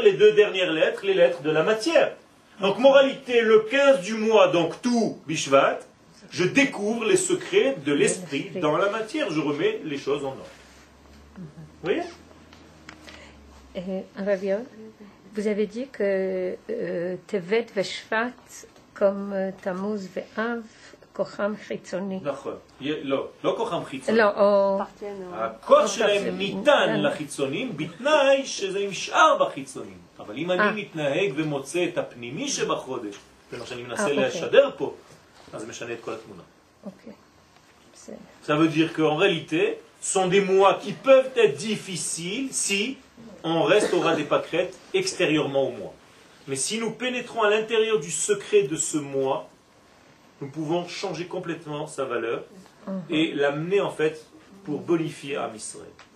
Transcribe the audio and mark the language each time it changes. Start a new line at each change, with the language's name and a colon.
French: Les deux dernières lettres, les lettres de la matière. Donc moralité, le 15 du mois, donc tout bishvat, je découvre les secrets de l'esprit dans la matière. Je remets les choses en ordre. Vous voyez? Rabia, vous avez dit que Tevet veShvat comme Tammuz veAv
Hebrew: kocham chitzoni. Non, kocham chitzoni.
French: Non,
Hebrew: הכוח שלהם ניתן לחיצונים בתנאי שזה נשאר בחיצונים. אבל אם אני מתנהג ומוצא את הפנימי שבחודש, זה מה שאני מנסה להשדר פה, אז זה משנה את כל התמונה. אוקיי.
French: Ça veut dire qu'en réalité, sont des mois qui peuvent être difficiles si on reste au ras des pâquerettes extérieurement au mois. Mais si nous pénétrons à l'intérieur du secret de ce mois, nous pouvons changer complètement sa valeur et l'amener en fait pour bonifier à Israël.